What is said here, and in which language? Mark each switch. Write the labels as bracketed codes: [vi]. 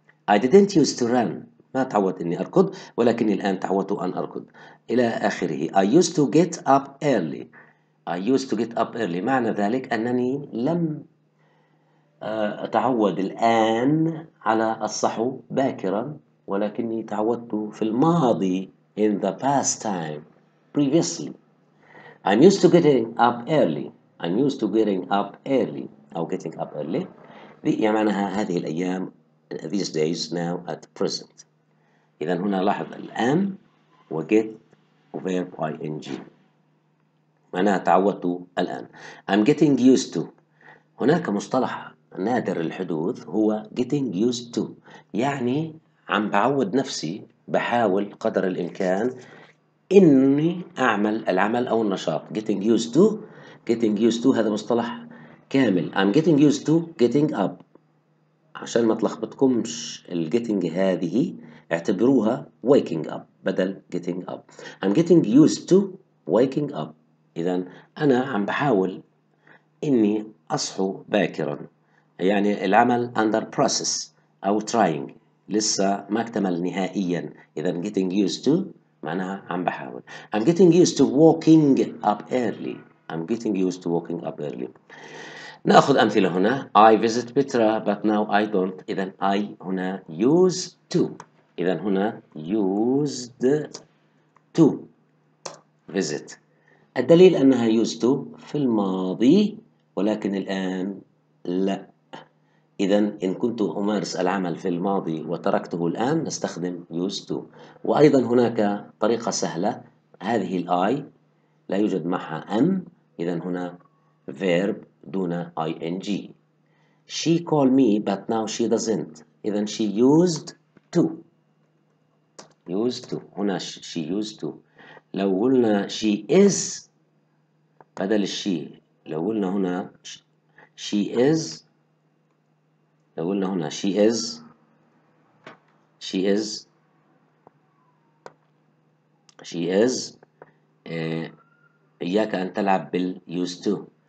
[en] I didn't used to run، [ar] ما تعودت أني أركض ولكني الآن تعودت أن أركض إلى آخره. [en] I used to get up early، I used to get up early. [ar] معنى ذلك أنني لم أتعود الآن على الصحو باكرا، ولكني تعودت في الماضي [en] in the past time previously. I'm used to getting up early. I'm used to getting up early. أو getting up early. [ar] يعني معناها هذه الأيام [en] these days now at present. [ar] إذا هنا لاحظ الآن و get verb ing. معناها تعودت الآن. [en] I'm getting used to. [ar] هناك مصطلح نادر الحدوث هو getting used to، يعني عم بعود نفسي، بحاول قدر الإمكان إني أعمل العمل أو النشاط. [en] getting used to، getting used to [ar] هذا مصطلح كامل. [en] I'm getting used to getting up. [ar] عشان ما تلخبطكمش الgetting هذه اعتبروها waking up بدل getting up. [en] I'm getting used to waking up. [ar] إذن أنا عم بحاول إني أصحو باكرا، يعني العمل [en] under process [ar] أو trying لسه ما اكتمل نهائيا. إذن getting used to معناها عم بحاول. [en] I'm getting used to walking up early. I'm getting used to walking up early. [ar] نأخذ أمثلة هنا. [en] I visit Petra but now I don't. إذن I هنا used to. إذن هنا used to visit. [ar] الدليل أنها used to في الماضي ولكن الآن لا. إذن إن كنت أمارس العمل في الماضي وتركته الآن نستخدم used to. وأيضا هناك طريقة سهلة، هذه الـ I لا يوجد معها am، إذن هنا verb دون ing. [en] She called me but now she doesn't. إذن she used to. Used to هنا she used to. [ar] لو قلنا she is بدل الشي، لو قلنا هنا she is، لو قلنا هنا she is، she is، she is، إياك أن تلعب بال used to.